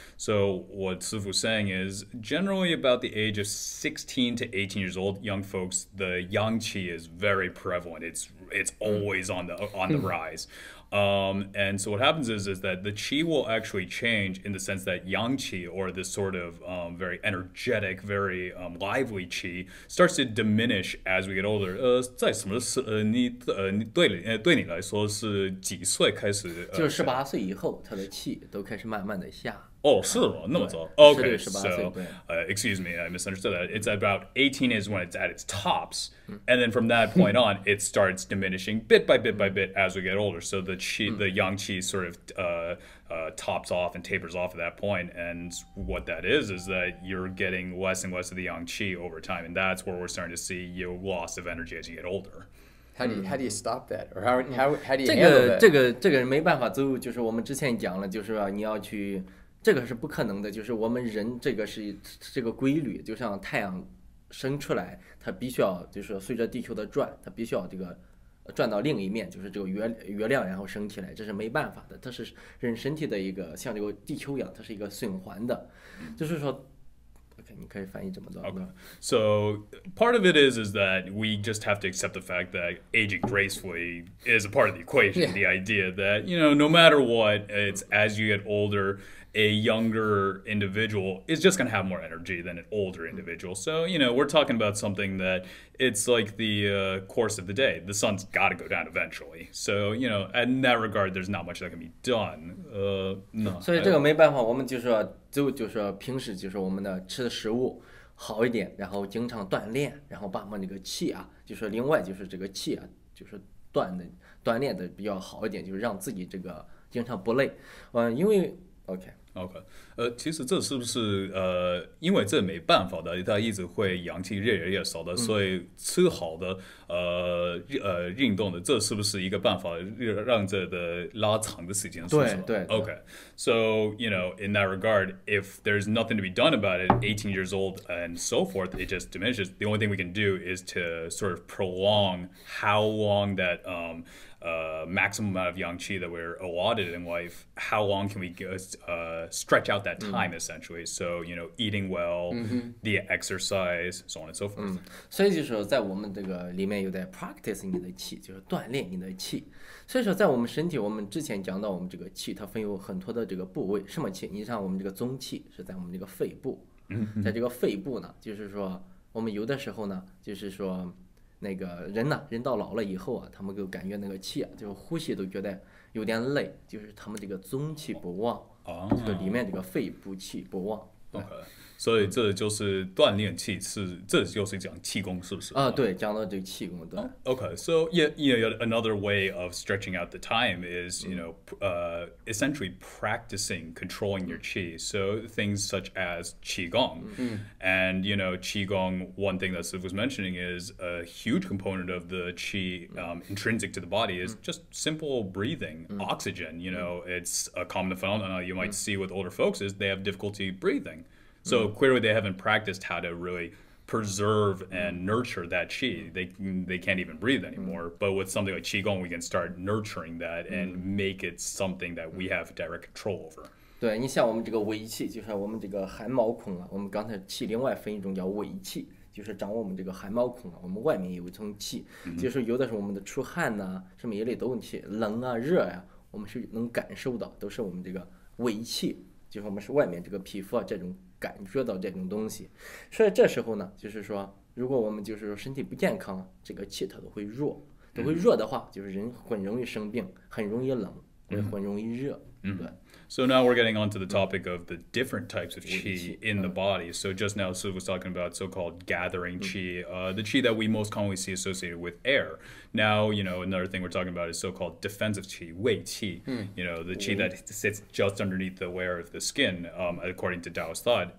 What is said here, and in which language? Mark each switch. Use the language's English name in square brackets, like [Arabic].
[English] So what Sifu is saying is generally about the age of 16 to 18 years old, young folks, the yang qi is very prevalent. It's always on the rise. And so what happens is that the qi will actually change in the sense that yang qi, or this sort of very energetic, very lively qi, starts to diminish as we get older. [Chinese] 在什么是你对你来说是几岁开始？就是18岁以后，他的气都开始慢慢的下。 [English] Oh, so, no, it's all. Okay, so, excuse me, I misunderstood that. It's about 18 is when it's at its tops. And then from that point on, it starts diminishing bit by bit by bit as we get older. So the qi, the yang qi sort of tops off and tapers off at that point. And what that is that you're getting less and less of the yang qi over time. And that's where we're starting to see your loss of energy as you get older. How do you stop that? Or how do you handle that? [Chinese] 这个没办法，就是我们之前讲了，就是你要去这个是不可能的，就是我们人这个是这个规律，就像太阳升出来，它必须要就是随着地球的转，它必须要这个转到另一面，就是这个月亮然后升起来，这是没办法的，它是人身体的一个像这个地球一样，它是一个循环的，就是说。 [English] Okay, so part of it is that we just have to accept the fact that aging gracefully is a part of the equation. Yeah. The idea that, you know, no matter what, it's as you get older, a younger individual is just going to have more energy than an older individual. So, you know, we're talking about something that it's like the course of the day. The sun's got to go down eventually. So, you know, in that regard, there's not much that can be done. [Chinese] So, 这个没办法，我们就是说就是平时就是我们的吃的食物好一点，然后经常锻炼，然后把我们这个气啊，就是另外就是这个气啊，就是锻炼的比较好一点，就是让自己这个经常不累。因为 OK，其实这是不是因为这没办法的，它一直会阳气越来越少的，所以吃好的运动的，这是不是一个办法让这的拉长的时间？对 [English] ，OK。 So you know, in that regard, if there's nothing to be done about it, 18 years old and so forth, it just diminishes. The only thing we can do is to sort of prolong how long that maximum amount of yang qi that we're allotted in life, how long can we stretch out that time, essentially? So, you know, eating well, the exercise, so on and so forth. [Chinese] 所以就是在我们这个里面有在 practice 你的气，就是锻炼你的气。所以说在我们身体，我们之前讲到我们这个气，它分有很多的这个部位。什么气？你像我们这个宗气是在我们这个肺部。在这个肺部呢，就是说我们有的时候呢，就是说那个人呢，人到老了以后啊，他们就感觉那个气啊，就呼吸都觉得有点累，就是他们这个宗气不旺，就是里面这个肺部气不旺。所以这就是锻炼气，是这就是讲气功，是不是？啊，对，讲到这气功，对。 [English] Okay, so yeah, you know, another way of stretching out the time is, you know, essentially practicing controlling your qi. So things such as qi gong, and you know, qi gong. One thing that Sif was mentioning is a huge component of the qi intrinsic to the body is just simple breathing, oxygen. You know, it's a common phenomenon you might see with older folks is they have difficulty breathing. So clearly they haven't practiced how to really preserve and nurture that qi. They can't even breathe anymore. But with something like qigong, we can start nurturing that and make it something that we have direct control over. [Chinese] 对，你像我们这个尾气，就是我们这个汗毛孔啊。我们刚才气另外分一种叫尾气，就是掌握我们这个汗毛孔啊。我们外面有一层气，就是有的时候我们的出汗呐、啊，什么一类的问题，冷啊、热呀、啊，我们是能感受到，都是我们这个尾气，就是我们是外面这个皮肤啊这种。感觉到这种东西，所以这时候呢，就是说，如果我们就是说身体不健康，这个气它都会弱，都会弱的话，就是人很容易生病，很容易冷，也很容易热，对。 [English] So now we're getting onto the topic of the different types of qi in the body. So just now, Sue was talking about so-called gathering qi, the qi that we most commonly see associated with air. Now, you know, another thing we're talking about is so-called defensive qi, wei qi, you know, the qi that sits just underneath the layer of the skin, according to Taoist thought.